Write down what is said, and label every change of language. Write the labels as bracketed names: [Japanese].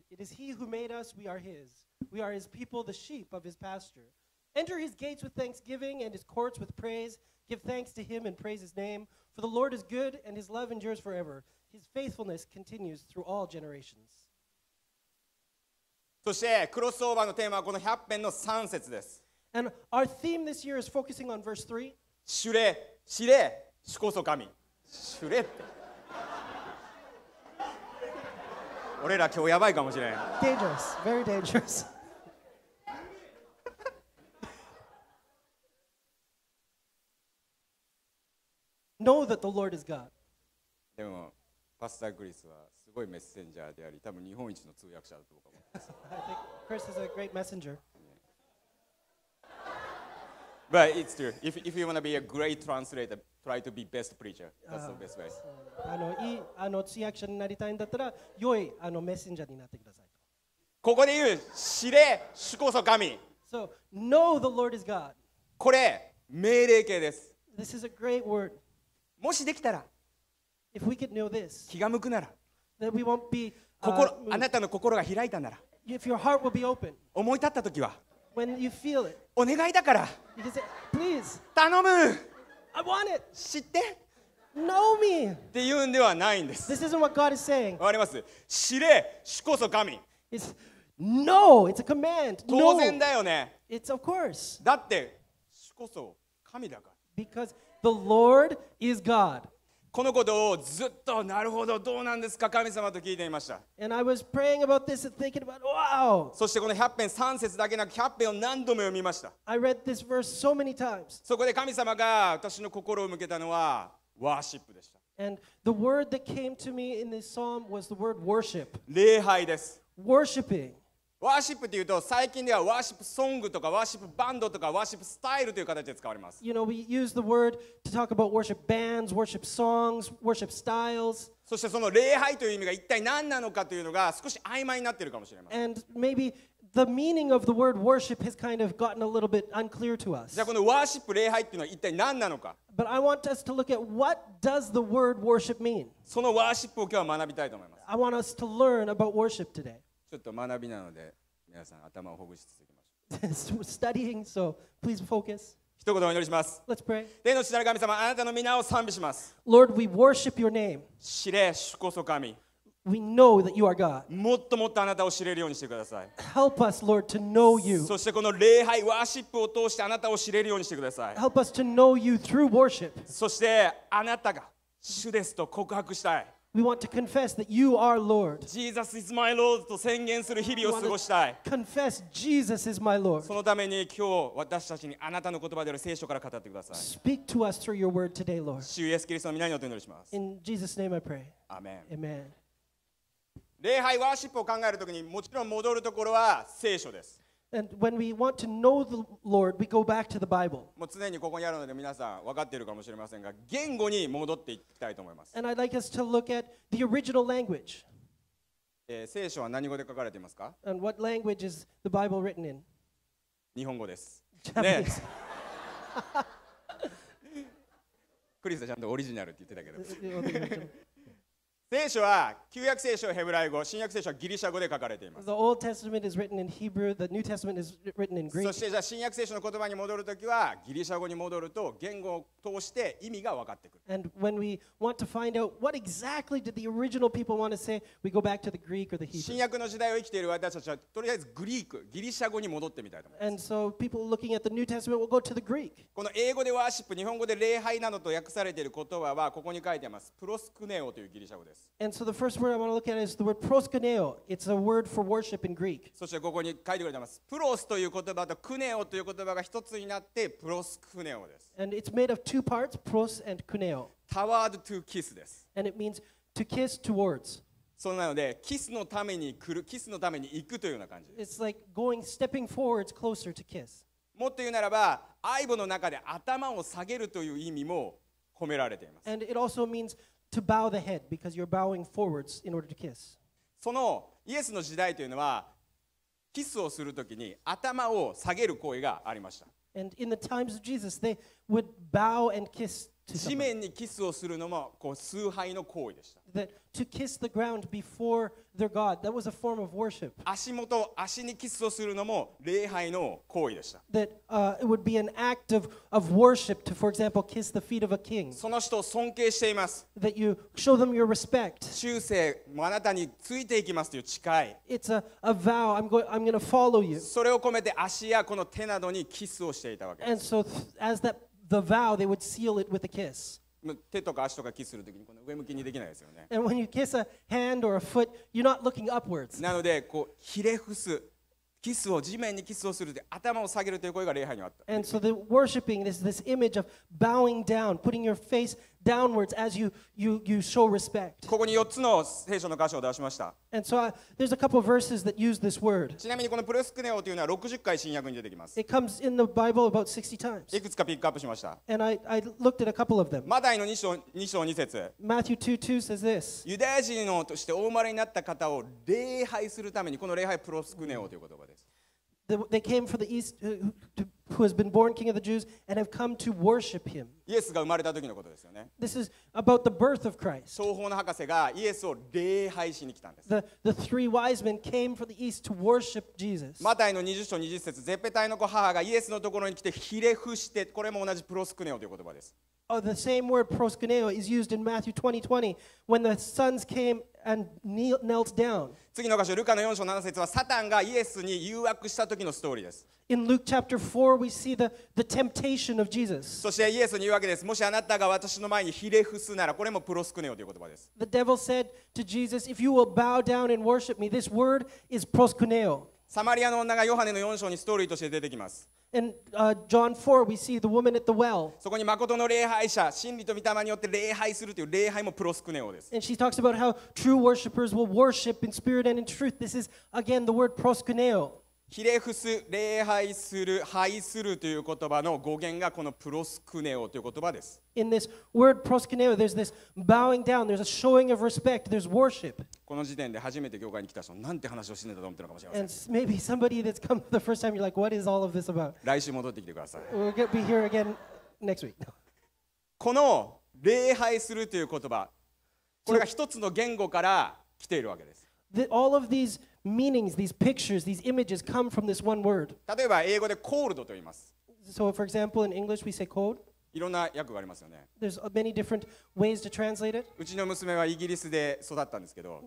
[English] It is he who made us, we are his. We are his people, the sheep of his pasture. Enter his gates with thanksgiving and his courts with praise. Give thanks to him and praise his name. For the Lord is good and his love endures forever. His faithfulness continues through all generations. [Japanese] そしてクロスオーバーのテーマはこの100編の3節です。 [English] And our theme this year is focusing on verse 3. [Japanese] 主れ、知れ、主こそ神。主れって。俺ら今日やばいかもしれない。 [English] Dangerous, very dangerous. Know that the Lord is God. [Japanese] でもパスタークリスはすごいメッセンジャーであり、多分日本一の通訳者だと思います。 [English] I think Chris is a great messenger. But it's true. If you want to be a great translator, try to be best preacher. That's the best way. [Japanese] あの通訳者になりたいんだったら良いあのメッセンジャーになってください。ここで言う知れ主こそ神。 [English] So know the Lord is God. [Japanese] これ命令形です。 [English] This is a great word. [Japanese] もしできたら、 [English] if we could know this, [Japanese] 気が向くなら、 [English] that we won't be, [Japanese] 心、moved. あなたの心が開いたなら、 [English] if your heart will be open, [Japanese] 思い立った時は、 [English] when you feel it, [Japanese] お願いだから、 [English] you can say, please, [Japanese] 頼む。 [English] I want it. [Japanese] 知って。 [English] Know me. [Japanese] って言うんではないんです。 [English] This isn't what God is saying. [Japanese] わかります。知れ、主こそ神。 [English] It's know. It's a command. [Japanese] 当然だよね。 [English] It's of course. [Japanese] だって主こそ神だから。 [English] Because the Lord is God. [Japanese] このことをずっとなるほどどうなんですか神様と聞いていました。 [English] And I was praying about this and thinking about wow. [Japanese] そしてこの100編3節だけなく100編を何度も読みました。 [English] I read this verse so many times. [Japanese] そこで神様が私の心を向けたのはワーシップでした。 [English] And the word that came to me in this psalm was the word worship. [Japanese] 礼拝です。 [English] Worshiping. [Japanese] ワーシップというと最近ではワーシップソングとかワーシップバンドとかワーシップスタイルという形で使われます。 [English] You know, we use the word to talk about worship bands, worship songs, worship styles. [Japanese] そしてその礼拝という意味が一体何なのかというのが少し曖昧になっているかもしれません。 [English] And maybe the meaning of the word worship has kind of gotten a little bit unclear to us. [Japanese] じゃあこのワーシップ礼拝というのは一体何なのか。 [English] But I want us to look at what does the word worship mean? [Japanese] そのワーシップを今日は学びたいと思います。 [English] I want us to learn about worship today. [Japanese] ちょっと学びなので皆さん頭をほぐしつつ行きましょう。 [English] Studying, so please focus. [Japanese] 一言お祈りします。 [English] Let's pray. [Japanese] 天の父なる神様、あなたの皆を賛美します。 [English] Lord, we worship your name. [Japanese] 知れ、主こそ神。 [English] We know that you are God. [Japanese] もっともっとあなたを知れるようにしてください。 [English] Help us, Lord, to know you. [Japanese] そしてこの礼拝、ワーシップを通してあなたを知れるようにしてください。 [English] Help us to know you through worship. [Japanese] そしてあなたが主ですと告白したい。 [English] We want to confess that you are Lord. Jesus is my Lord [Japanese] と宣言する日々を過ごしたい。 [English] Confess Jesus is my Lord. [Japanese] そのために今日私たちにあなたの言葉である聖書から語ってください。 [English] Speak to us through your word today, Lord. [Japanese] 主イエスキリストの御名によってお祈りします。 [English] In Jesus' name I pray. Amen. Amen. [Japanese] 礼拝ワーシップを考えるときにもちろん戻るところは聖書です。 [English] And when we want to know the Lord, we go back to the Bible. [Japanese] もう常にここにあるので皆さん分かっているかもしれませんが、言語に戻っていきたいと思います。 [English] And I'd like us to look at the original language. [Japanese] 聖書は何語で書かれていますか? [English] And what language is the Bible written in? [Japanese] 日本語です。 [English] Japanese. ね。 [Japanese] クリスはちゃんとオリジナルって言ってたけど。聖書は旧約聖書はヘブライ語、新約聖書はギリシャ語で書かれています。 [English] The Old Testament is written in Hebrew, the New Testament is written in Greek. [Japanese] そしてじゃあ新約聖書の言葉に戻るときはギリシャ語に戻ると言語を通して意味が分かってくる。 [English] And when we want to find out what exactly did the original people want to say, we go back to the Greek or the Hebrew. [Japanese] 新約の時代を生きている私たちはとりあえずグリーク、ギリシャ語に戻ってみたいと思います。 [English] And so people looking at the New Testament will go to the Greek. [Japanese] この英語でワーシップ、日本語で礼拝などと訳されている言葉はここに書いてあります。プロスクネオというギリシャ語です。 [English] And so the first word I want to look at is the word proskuneo. It's a word for worship in Greek. [Japanese] そしてここに書いてくれてます。プロスという言葉とクネオという言葉が一つになってプロスクネオです。 [English] And it's made of two parts, pros and kuneo. Toward to kiss です。 And it means to kiss towards. [Japanese] そうなので、キスのために来る、キスのために行くというような感じです。 [English] It's like going, stepping forwards closer to kiss. [Japanese] もっと言うならば、愛母の中で頭を下げるという意味も込められています。 [English] And it also means to bow the head because you're bowing forwards in order to kiss. [Japanese] そのイエスの時代というのはキスをするときに頭を下げる行為がありました。 [English] And in the times of Jesus, they would bow and kiss to someone. [Japanese] 地面にキスをするのもこう崇拝の行為でした。 [English] That to kiss the ground before their God, that was a form of worship. [Japanese] 足元、足にキスをするのも礼拝の行為でした。 [English] That it would be an act of worship to, for example, kiss the feet of a king. [Japanese] その人を尊敬しています。 [English] That you show them your respect. [Japanese] 忠誠、もうあなたについていきますという誓い。 [English] It's a vow. I'm going to follow you. [Japanese] それを込めて足やこの手などにキスをしていたわけです。 [English] And so as that the vow, they would seal it with a kiss. [Japanese] 手とか足とかキスするときにこの上向きにできないですよね。 [English] And when you kiss a hand or a foot, you're not looking upwards. [Japanese] なのでこうひれ伏す、キスを地面にキスをするで頭を下げるという声が礼拝にあった。 [English] And so the worshiping is this image of bowing down, putting your face downwards as you show respect. [Japanese] ここに4つの聖書の箇所を出しました。 [English] And so there's a couple of verses that use this word. [Japanese] ちなみにこのプロスクネオというのは60回新約に出てきます。 [English] It comes in the Bible about 60 times. [Japanese] いくつかピックアップしました。 [English] And I looked at a couple of them. [Japanese] マタイの2章2節。 [English] Matthew 2:2 says this. [Japanese] ユダヤ人としてお生まれになった方を礼拝するためにこの礼拝プロスクネオという言葉です。 [English] They came from the east who has been born king of the Jews and have come to worship him. [Japanese] イエスが生まれた時のことですよね。 [English] This is about the birth of Christ. [Japanese] 東方の博士がイエスを礼拝しに来たんです。 [English] The three wise men came from the east to worship Jesus. [Japanese] マタイの20章20節、ゼペタイの子母がイエスのところに来てひれ伏して、これも同じプロスクネオという言葉です。 [English] Oh, the same word proskuneo is used in Matthew 20:20 when the sons came and knelt down. [Japanese] 次の箇所、ルカの4章7節はサタンがイエスに誘惑した時のストーリーです。 [English] In Luke chapter 4, we see the temptation of Jesus. [Japanese] そしてイエスに言うわけです。もしあなたが私の前にひれ伏すなら、これもプロスクネオという言葉です。 [English] The devil said to Jesus, if you will bow down and worship me, this word is proskuneo. [Japanese] サマリアの女がヨハネの4章にストーリーとして出てきます。 [English] In John 4, we see the woman at the well. [Japanese] そこに誠の礼拝者、真理と御霊によって礼拝するという礼拝もプロスクネオです。 [English] And she talks about how true worshippers will worship in spirit and in truth. This is again the word proskuneo. [Japanese] ひれ伏す、礼拝する、拝するという言葉の語源がこのプロスクネオという言葉です。 [English] In this word proskuneo, there's this bowing down, there's a showing of respect, there's worship. [Japanese] この時点で初めて教会に来た人、なんて話をしてたと思ってるかもしれません。 [English] And maybe somebody that's come for the first time, you're like, what is all of this about? [Japanese] 来週戻ってきてください。 [English] We'll be here again next week. [Japanese] この礼拝するという言葉、これが一つの言語から来ているわけです。 [English] All of theseMeanings, these pictures, these images come from this one word. [Japanese] 例えば英語でコールドと言います。 [English] So, for example, in English, we say cold. [Japanese] いろんな訳がありますよね。 [English] There's many different ways to translate it. [Japanese] うちの娘はイギリスで育ったんですけど。